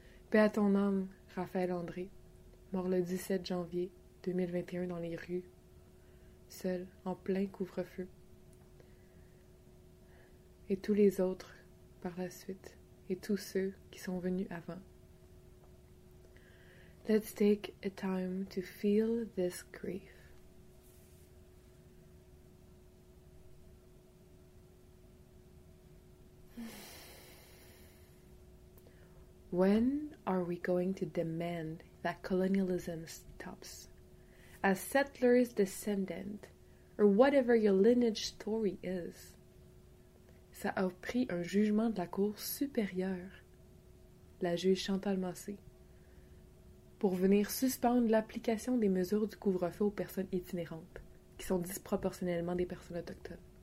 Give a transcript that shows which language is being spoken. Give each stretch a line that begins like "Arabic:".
French: Paix à ton âme, Raphaël André, mort le 17 janvier 2021 dans les rues, seul, en plein couvre-feu. Et tous les autres, par la suite, et tous ceux qui sont venus avant.
English: Let's take a time to feel this grief. When are we going to demand that colonialism stops? As settlers' descendant, or whatever your lineage story is,
French: ça a pris un jugement de la Cour supérieure, la juge Chantal Massé, pour venir suspendre l'application des mesures du couvre-feu aux personnes itinérantes, qui sont disproportionnellement des personnes autochtones.